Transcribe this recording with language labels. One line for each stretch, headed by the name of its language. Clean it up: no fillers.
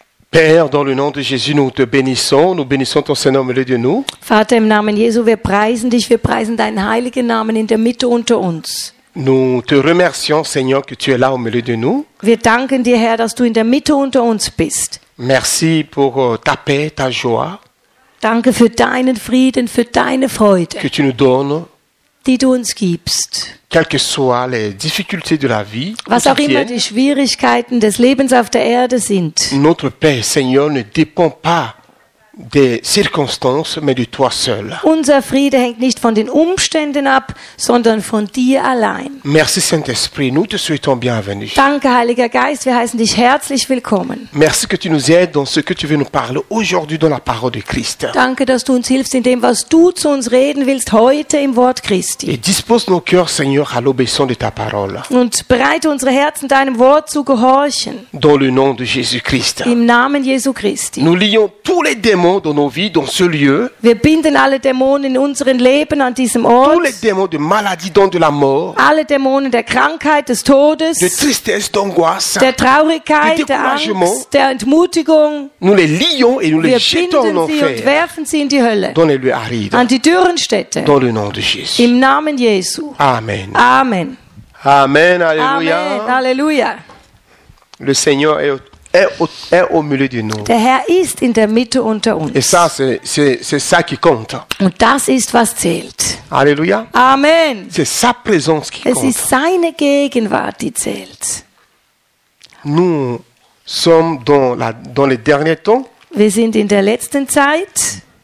French: Père, dans le nom de Jésus, nous te bénissons. Nous bénissons ton Saint-Nom au milieu de nous.
German: Vater, im Namen Jesu, wir preisen dich. Wir preisen deinen heiligen Namen in der Mitte unter uns.
French: Nous te remercions, Seigneur, que tu es là au milieu de nous.
German: Wir danken dir, Herr, dass du in der Mitte unter uns bist.
French: Merci pour ta paix, ta joie.
German: Danke für deinen Frieden, für deine Freude.
French: Que tu nous donnes.
German: Die du uns gibst.
French: Quelles que soient les difficultés de la vie,
German: was auch immer die Schwierigkeiten des Lebens auf der Erde sind.
French: Notre paix, Seigneur, ne dépend pas des circonstances, mais de toi seul.
German: Unser Friede hängt nicht von den Umständen ab, sondern von dir allein.
French: Merci Saint-Esprit, nous te souhaitons bienvenue.
German: Danke Heiliger Geist, wir heißen dich herzlich willkommen.
French: Merci que tu nous aides dans ce que tu veux nous parler aujourd'hui dans la parole de Christ.
German: Danke, dass du uns hilfst in dem, was du zu uns reden willst heute im Wort Christi.
French: Et dispose nos cœurs, Seigneur, à l'obéissance de ta parole.
German: Und bereite unsere Herzen deinem Wort zu gehorchen.
French: Dans le nom de Jésus Christ.
German: Im Namen Jesu Christi.
French: Nous lions tous les démons dans nos vies, dans ce lieu.
German: Wir binden alle Dämonen in unseren Leben an diesem Ort.
French: Tous les démons de maladie, donc de la mort.
German: Alle Dämonen der Krankheit, des Todes.
French: De tristesse, d'angoisse.
German: Der Traurigkeit, der Angst, der Entmutigung.
French: Nous les lions et nous les jetons en enfer.
German: Wir binden sie und werfen sie in die Hölle.
French: Dans les lieux arides.
German: An die dürren Städte.
French: Dans le nom de Jésus.
German: Im Namen Jesu.
French: Amen.
German: Amen.
French: Amen. Alléluia.
German: Amen. Alléluia.
French: Le Seigneur est au milieu de nous.
German: Der Herr ist in der Mitte unter uns.
French: Et ça, c'est ça qui compte.
German: Und das ist, was zählt.
French: Alléluia.
German: Amen.
French: C'est sa présence qui
German: compte. Es ist seine Gegenwart, die zählt.
French: Nous sommes dans les derniers temps.
German: Wir sind in der letzten Zeit.